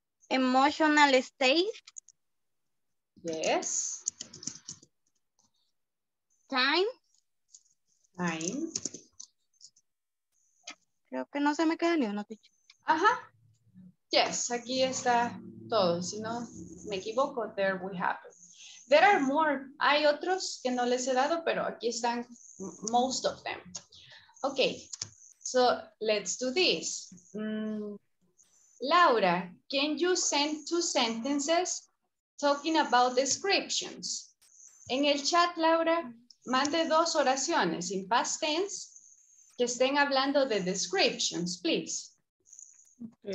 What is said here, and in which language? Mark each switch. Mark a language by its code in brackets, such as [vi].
[en] Emotional state. Yes. Time. [es] Creo que no se me queda ni una ficha. Ajá. Yes, aquí está todo. Si no me equivoco, [en] there we have it. There are more. [es] Hay otros que no les he dado, pero aquí están [en] most of them. Okay, so let's do this. Laura, can you send two sentences talking about descriptions? [es] En el chat, Laura, mande dos oraciones [en] in past tense [es] que estén hablando de descriptions, please. Okay.